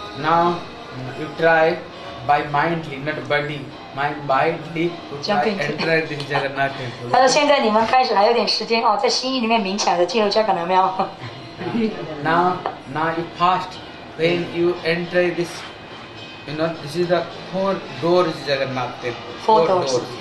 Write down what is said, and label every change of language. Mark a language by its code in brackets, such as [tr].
[en] Now you try by mindly, not body, mindly to try enter the Jagannath Mandir. [zh] 现在你们开始还有点时间哦，在心意里面勉强的进入这个能量。 [en] Now you fast when you enter this. You know, this is the four doors of Jagannath Temple.